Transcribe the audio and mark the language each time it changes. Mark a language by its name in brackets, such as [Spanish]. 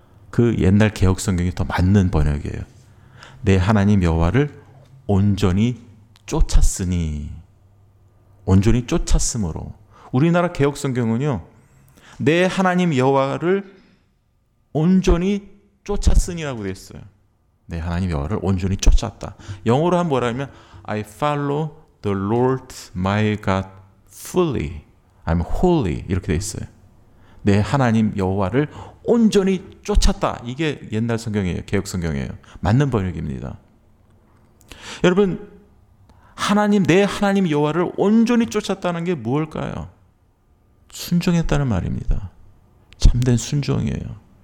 [Korean] 그 옛날 개역성경이 더 맞는 번역이에요. 내 하나님 여호와를 온전히 쫓았으니 온전히 쫓았으므로 우리나라 개역성경은요. 내 하나님 여호와를 온전히 쫓았으니라고 되어 있어요. 내 하나님 여호와를 온전히 쫓았다. 영어로 한번 뭐라 하면 [English] I follow the Lord my God fully. I'm holy. [Korean] 이렇게 되어 있어요. 내 하나님 여호와를 온전히 쫓았다. 이게 옛날 성경이에요. 개역성경이에요. 맞는 번역입니다. 여러분 하나님 내 하나님 여호와를 온전히 쫓았다는 게 뭘까요? 순종했다는 말입니다. 참된 순종이에요.